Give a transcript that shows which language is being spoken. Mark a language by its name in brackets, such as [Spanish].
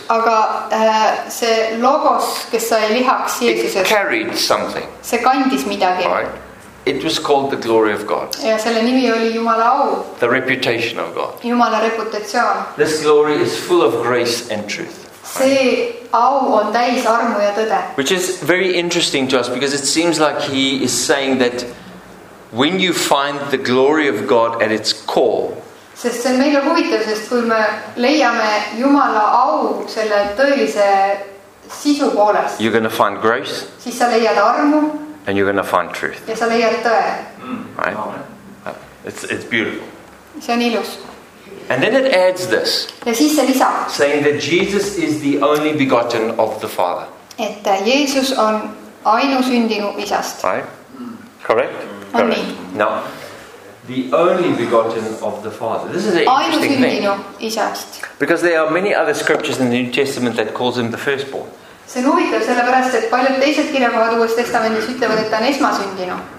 [Estonian] Aga see logos, kes sai lihaks Jeesuses. [English] It carried something. [Estonian] See kandis midagi. [English] Right. It was called the glory of God. [Estonian] Ja selle nimi oli Jumala au. [English] The reputation of God. [Estonian] Jumala reputatsioon. [English] This glory is full of grace and truth. [Estonian] See au on täis armu ja tõde. [English] Which is very interesting to us because it seems like he is saying that when you find the glory of God at its core. [Estonian] Sest see on meile huvitav, sest kui me leiame Jumala au selle tõelise sisu poolest. [English] You're going to find grace. [Estonian] Siis sa leiad armu. [English] And you're going to find truth. [Estonian] Ja sa leiad tõe. [English] Right? It's beautiful. [Estonian] See on ilus. [English] And then it adds this. [Estonian] Ja siis see lisab. [English] Saying that Jesus is the only begotten of the Father. [Estonian] Et Jeesus on ainusündinu isast. [English] Right? Correct? [Estonian] On nii. [English] Now, the only begotten of the Father. This is an interesting thing. [Estonian] Ainusündinu isast. [English] Because there are many other scriptures in the New Testament that calls him the firstborn. [Estonian] See on huvitav sellepärast, et paljud teised kirjakohad Uues Testamentis ütlevad, et ta on esmasündinu.